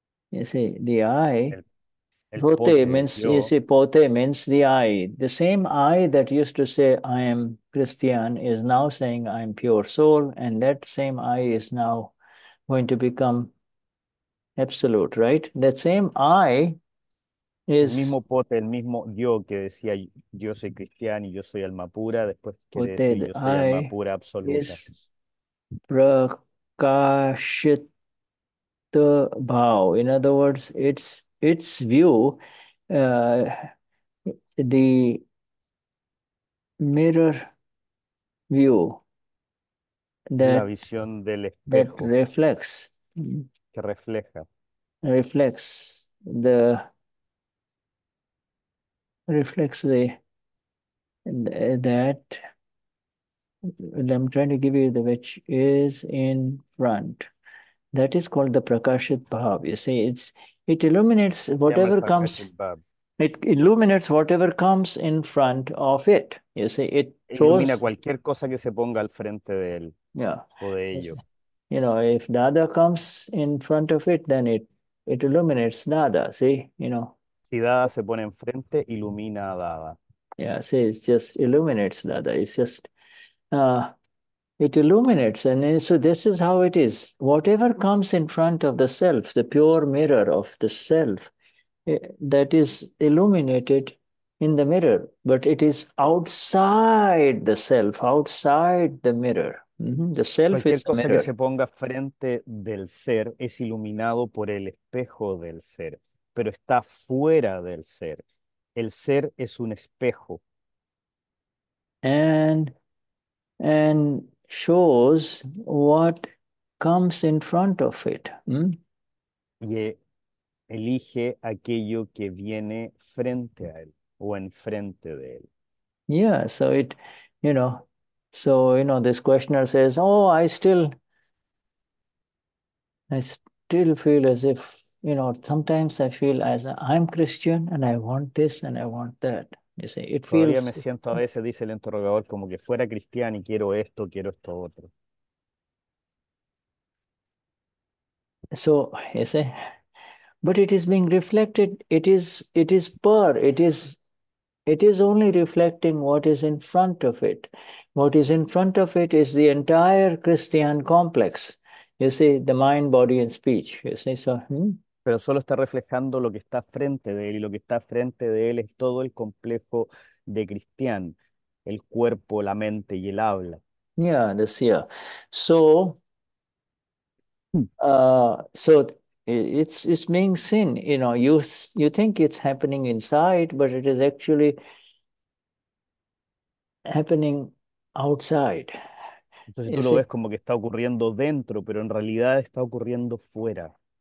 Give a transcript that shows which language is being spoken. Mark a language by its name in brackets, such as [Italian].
[English] You see, the I. Pote means, [Spanish] yo. [English] You see, pote means the I. The same I that used to say, I am Christian, is now saying, I am pure soul. And that same I is now going to become absolute, right? That same I is. [Spanish] El mismo pote, el mismo yo que decía, yo soy Cristian y yo soy alma pura, después quiere decir, yo soy [English] I [Spanish] alma pura absoluta. [English] Prakashit. The bow. In other words, its view, the mirror view [Spanish] la visión del [English] that [Spanish] espejo [English] reflects [Spanish] que refleja [English] reflects the reflects the that I'm trying to give you the which is in front. That is called the Prakashit Bhav. You see, it illuminates whatever comes. It illuminates whatever comes in front of it. You see, it throws. [Spanish] Ilumina cualquier cosa que se ponga al frente de él. [English] Yeah. [Spanish] O de ello. [English] You know, if Dada comes in front of it, then it illuminates Dada. See, you know. [Spanish] Si Dada se pone enfrente, ilumina a Dada. [English] Yeah, see, it just illuminates Dada. It's just, it illuminates. And so this is how it is. Whatever comes in front of the self, the pure mirror of the self, that is illuminated in the mirror, but it is outside the self, outside the mirror. The self [Spanish] cualquier [English] is the [Spanish] cosa [English] mirror. [Spanish] Que se ponga frente del ser es iluminado por el espejo del ser, pero está fuera del ser. El ser es un espejo. [English] And shows what comes in front of it. [Spanish] Y elige aquello que viene frente a él o enfrente de él. [English] Yeah, so this questioner says, oh, I still feel as if, you know, sometimes I feel as I'm Christian and I want this and I want that. You see, it feels. [Spanish] Todavía me siento a veces, dice el interrogador, como que fuera cristiano y quiero esto otro. [English] So, you see, but it is being reflected. It is only reflecting what is in front of it. What is in front of it is the entire Christian complex. You see, the mind, body, and speech. You see, so. [Spanish] Pero solo está reflejando lo que está frente de él, y lo que está frente de él es todo el complejo de Cristian, el cuerpo, la mente y el habla. [English] Yeah, this year. So it's being seen. You know, you think it's happening inside, but it is actually happening outside. [Spanish] Entonces tú lo ves como que está ocurriendo dentro, pero en realidad está ocurriendo fuera.